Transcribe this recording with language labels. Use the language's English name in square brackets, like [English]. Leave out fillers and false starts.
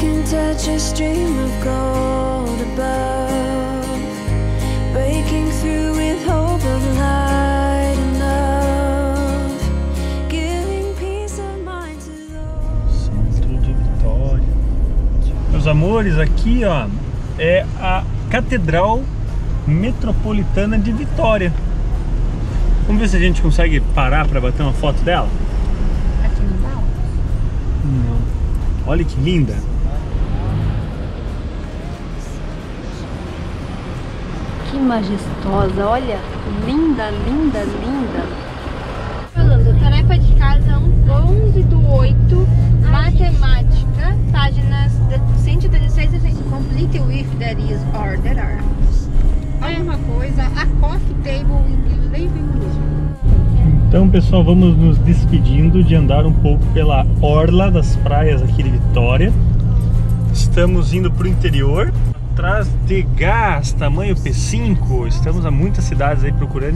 [English] Touch a stream of gold above, breaking through with hope of light and love, giving peace of mind to those. [Portuguese] Centro de Vitória. Meus amores, aqui ó, é a Catedral Metropolitana de Vitória. Vamos ver se a gente consegue parar para bater uma foto dela? Aqui não dá? Não. Olha que linda. Que majestosa, olha, linda, linda, linda. Falando, tarefa de casa 11 do 8, matemática, páginas 116 e 100. [English] Complete with that is or that are. [Portuguese] Olha uma coisa, a coffee table in living room. Então, pessoal, vamos nos despedindo de andar um pouco pela orla das praias aqui de Vitória. Estamos indo para o interior. Atrás de gás, tamanho P5, estamos a muitas cidades aí procurando.